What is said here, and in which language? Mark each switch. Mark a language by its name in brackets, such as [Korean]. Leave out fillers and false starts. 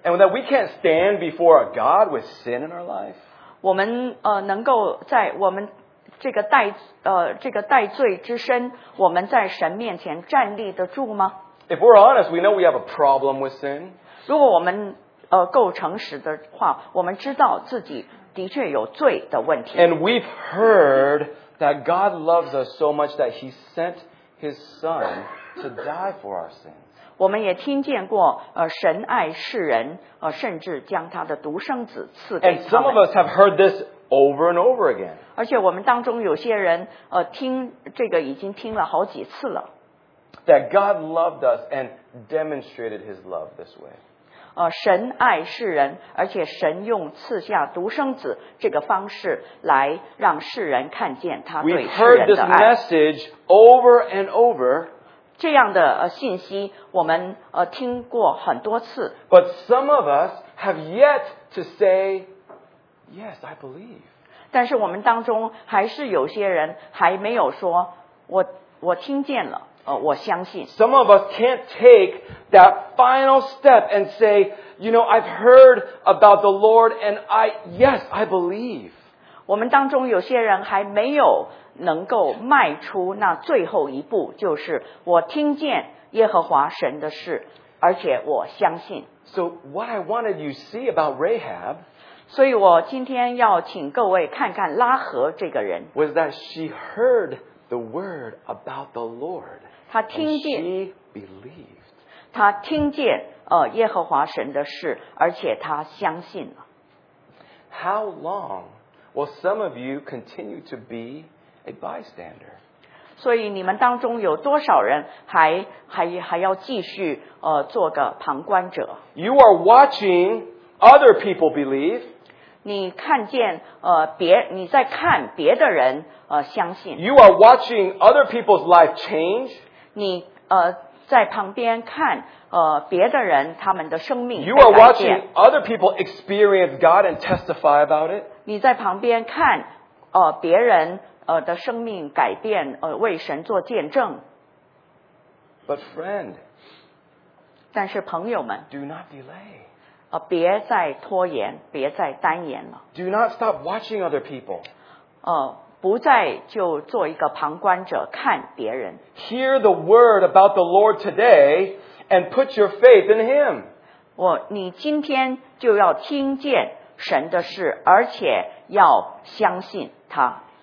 [English] And that we can't stand before a God with sin in our life. [Chinese] 我们能够在我们这个带罪之身，我们在神面前站立得住吗？ [English] If we're honest, we know we have a problem with sin. [Chinese] 如果我们够诚实的话，我们知道自己的确有罪的问题。 [English] And we've heard that God loves us so much that he sent his son to die for our sins. [Chinese] 我们也听见过神爱世人甚至将他的独生子赐给他们。 [English] And some of us have heard this over and over again. [Chinese] 而且我们当中有些人听这个已经听了好几次了。 [English] That God loved us and demonstrated His love this way. [Chinese] 神爱世人，而且神用赐下独生子这个方式来让世人看见他对世人的爱。 [English] We've heard this message over and over. [Chinese] 这样的信息我们听过很多次。 [English] But some of us have yet to say. Yes, I believe. [Chinese] 但是我们当中还是有些人还没有说我听见了我相信。 [English] Some of us can't take that final step and say, you know, I've heard about the Lord and yes, I believe. [Chinese] 我们当中有些人还没有能够迈出那最后一步，就是我听见耶和华神的事，而且我相信。 [English] So what I wanted you to see about Rahab, [Chinese] 所以我今天要请各位看看拉合这个人。 [English] Was that she heard the word about the Lord? [Chinese] 她听见。 [English] And she believed. [Chinese] 她听见耶和华神的事，而且她相信了。 [English] How long will some of you continue to be a bystander? [Chinese] 所以你们当中有多少人还要继续做个旁观者？ [English] You are watching other people believe. [Chinese] 你看见你在看别的人相信。 [English] You are watching other people's life change. [Chinese] 你在旁边看别的人他们的生命。 [English] You are watching other people experience God and testify about it. [Chinese] 你在旁边看别人的生命改变为神做见证。 [English] But friend, [Chinese] 但是朋友们 [English] do not delay. [Chinese] 别再拖延，别再单言了。 [English] Do not stop watching other people. [Chinese] 不再就做一个旁观者看别人。 [English] Hear the word about the Lord today and put your faith in Him. [Chinese] 你今天就要听见神的事，而且要相信他。